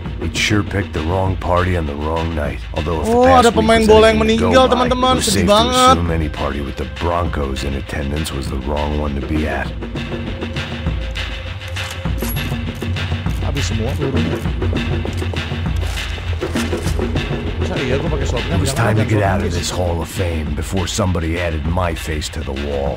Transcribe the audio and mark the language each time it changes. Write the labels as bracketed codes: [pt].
[en] He sure picked the wrong party on the wrong night. Although if [id] oh, ada pemain bola yang meninggal, teman-teman, sedih banget. [en] So many party with the Broncos in attendance was the wrong one to be at. [id] Habis semua turun. [en] It was time to get out of this Hall of Fame before somebody added my face to the wall.